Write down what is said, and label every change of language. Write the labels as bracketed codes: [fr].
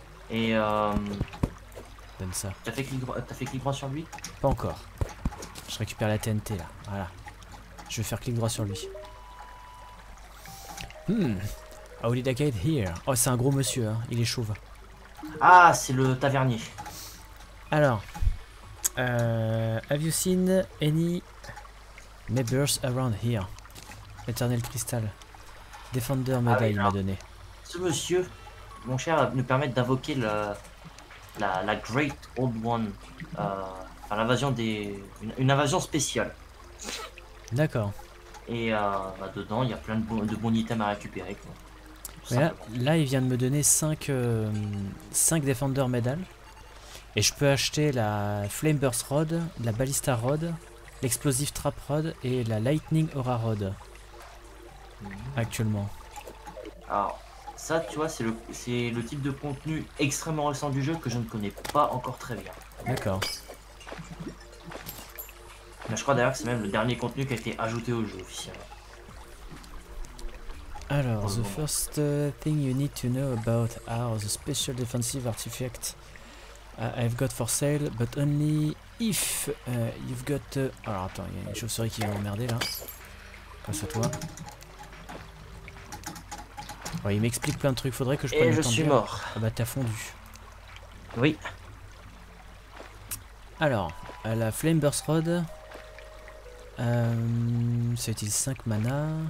[fr] Et Donne ça. T'as fait clic droit sur lui? Pas encore. Je récupère la TNT là. Voilà. Je vais faire clic droit sur lui. [en] How did I get here? [fr] Oh, c'est un gros monsieur. Hein. Il est chauve. Ah, c'est le tavernier. [en] Alors, have you seen any neighbors around here? Eternal Crystal. [fr] Defender Medal, il m'a donné. Ce monsieur, mon cher, nous permet d'invoquer le. La Great Old One, à l'invasion des. Une invasion spéciale. D'accord. Et bah dedans, il y a plein de bons items à récupérer. Quoi. Mais là, il vient de me donner 5 Defender Medal. Et je peux acheter la Flame Burst Rod, la Ballista Rod, l'Explosive Trap Rod et la Lightning Aura Rod. Mmh. Actuellement. Alors. Ça, tu vois, c'est le type de contenu extrêmement récent du jeu que je ne connais pas encore très bien. D'accord. Mais je crois d'ailleurs que c'est même le dernier contenu qui a été ajouté au jeu officiellement. [en] Alors, the first thing you need to know about are the special defensive artifacts I've got for sale, but only if you've got... [fr] Alors attends, il y a une chauve-souris qui va m'emmerder là. Passe à toi. Ouais, il m'explique plein de trucs, faudrait que je prenne et le temps. Et je suis mort. Ah bah t'as fondu. Oui. Alors, la Flame Burst Rod. Ça utilise 5 mana.